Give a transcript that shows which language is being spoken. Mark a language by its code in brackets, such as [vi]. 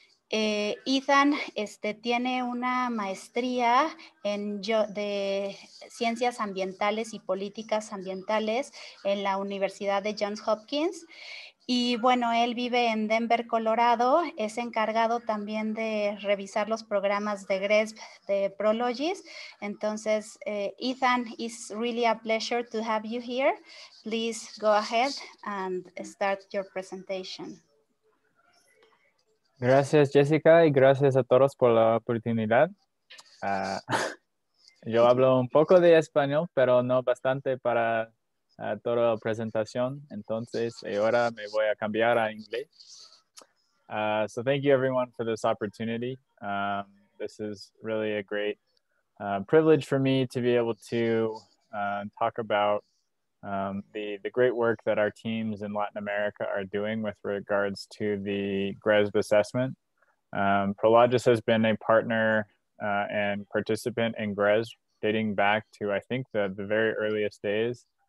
[es] Ethan tiene una maestría de ciencias ambientales y políticas ambientales en la Universidad de Johns Hopkins. Y bueno, él vive en Denver, Colorado. Es encargado también de revisar los programas de GRESB de Prologis. Entonces, [en] Ethan, it's really a pleasure to have you here. Please go ahead and start your presentation. [es] Gracias, Jessica, y gracias a todos por la oportunidad. Yo hablo un poco de español, pero no bastante para a toda la presentación. Entonces, ahora me voy a cambiar a inglés. [en] So thank you everyone for this opportunity. This is really a great privilege for me to be able to talk about the great work that our teams in Latin America are doing with regards to the GRESB assessment. Prologis has been a partner and participant in GRESB dating back to, I think, the very earliest days.